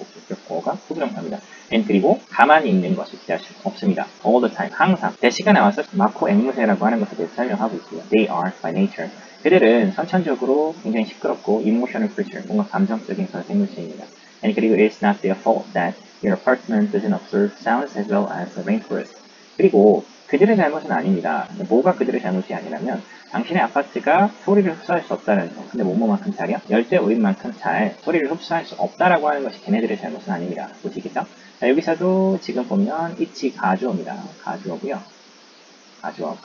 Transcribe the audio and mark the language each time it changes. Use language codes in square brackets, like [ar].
[ko] 목적어가 투부정사입니다. and 그리고 가만히 있는 것을 기대할 수 없습니다. [en] all the time. 항상. [ko] 대시가 나와서 마코 앵무새라고 하는 것에 대해서 설명하고 있고요. [en] they are by nature. [ko] 그들은 선천적으로 굉장히 시끄럽고 [en] emotional creature. [ko] 뭔가 감정적인 그런 생물체입니다. [en] and 그리고 it's not their fault that your apartment doesn't observe sounds as well as the rainforest. [ko] 그리고 그들의 잘못은 아닙니다. 뭐가 그들의 잘못이 아니라면 당신의 아파트가 소리를 흡수할 수 없다는 거. 근데 뭐만큼 잘이야? 열대우림만큼 잘 소리를 흡수할 수 없다라고 하는 것이 걔네들의 잘못은 아닙니다. 보시겠죠? 자, 여기서도 지금 보면 it이 가주어입니다. 가주어고요. 가주어.